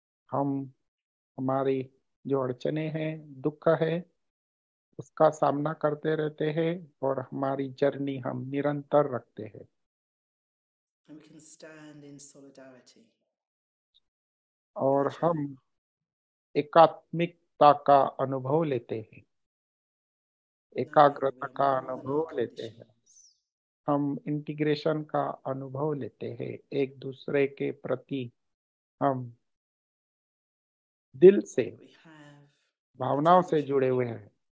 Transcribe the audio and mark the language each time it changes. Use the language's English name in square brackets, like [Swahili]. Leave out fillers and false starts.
[Hindi] हम हमारी जो अड़चने हैं, दुख है, उसका सामना करते रहते हैं और हमारी जर्नी हम निरंतर रखते हैं। [English] We can stand in solidarity. [Hindi] और हम एकात्मिकता का अनुभव लेते हैं, एकाग्रता का अनुभव लेते हैं, हम इंटीग्रेशन का अनुभव लेते हैं, एक दूसरे के प्रति हम दिल से भावनाओं से जुड़े हुए हैं।